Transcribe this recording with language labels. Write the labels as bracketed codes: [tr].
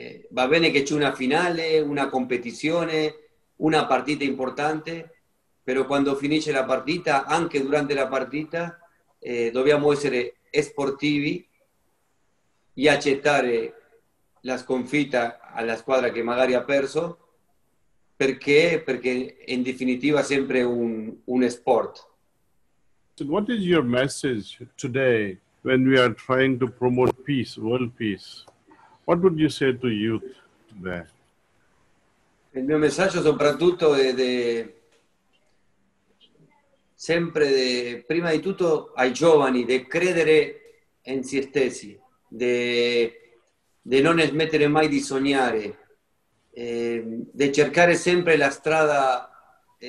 [it] Va bene che c'è una finale, una competizione, una partita importante, però quando finisce la partita, anche durante la partita, dobbiamo essere sportivi y accettare la sconfitta alla squadra che magari ha perso, perché? Perché in definitiva è sempre un sport. [en] So what is your message today when we are trying to promote peace, world peace? What would you say to youth today? [it] Il mio messaggio soprattutto è sempre prima di tutto ai giovani di credere in se stessi, di non smettere mai di sognare, di cercare sempre la strada